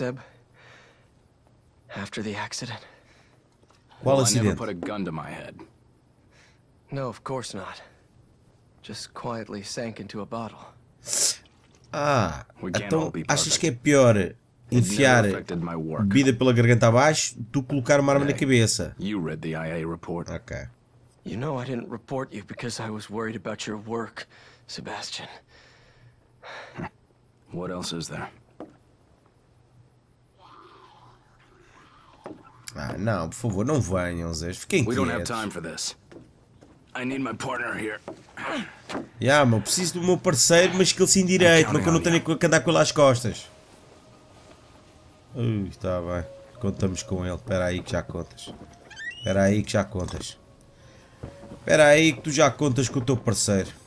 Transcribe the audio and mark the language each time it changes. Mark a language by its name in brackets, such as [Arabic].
[Portuguese] Eu nunca pus uma arma na minha cabeça. Não, [English] of course not. Just quietly sank into a bottle. [Portuguese] Ah, então achas que é pior enfiar bebida pela garganta abaixo do que colocar uma arma na cabeça? [English] You read the IA report. Okay. You know I didn't report you because I was worried about your work, Sebastian. What else is there? [Portuguese] Ah, não, por favor, não venham, Zé. Fiquem quietos. [English] We don't have time for this. I need my partner here. [Portuguese] Yeah, mas preciso do meu parceiro, mas que ele se endireite, mas que eu não tenho que andar com ele às costas. Está bem. Contamos com ele. Espera aí que já contas. Espera aí que já contas. Espera aí que tu já contas com o teu parceiro.